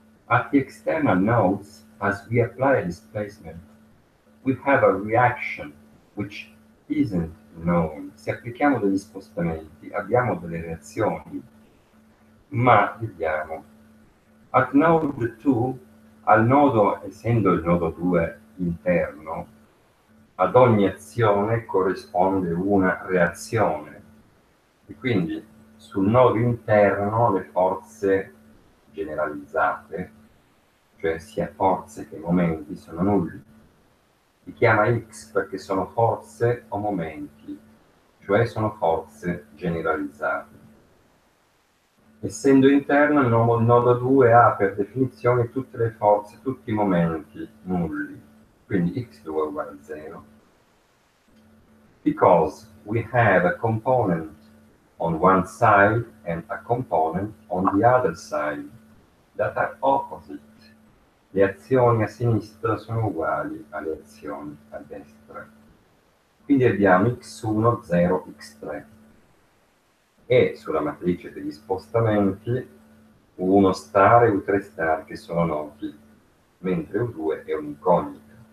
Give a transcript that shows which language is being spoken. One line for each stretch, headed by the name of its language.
English: At the external nodes, as we apply a displacement, we have a reaction which isn't known.
Italian: Se applichiamo degli spostamenti, abbiamo delle reazioni, ma vediamo.
English: At node 2,
Italian: al nodo, essendo il nodo 2 interno, ad ogni azione corrisponde una reazione. E quindi sul nodo interno le forze generalizzate, cioè sia forze che momenti, sono nulli. Si chiama X perché sono forze o momenti, cioè sono forze generalizzate. Essendo interno, il nodo 2 ha per definizione tutte le forze, tutti i momenti nulli. Quindi X2 uguale a 0.
English: Because we have a component on one side and a component on the other side that are opposite.
Italian: Le azioni a sinistra sono uguali alle azioni a destra. Quindi abbiamo x1, 0, x3. E sulla matrice degli spostamenti, uno star e un tre star che sono noti, mentre un 2 è un incognito.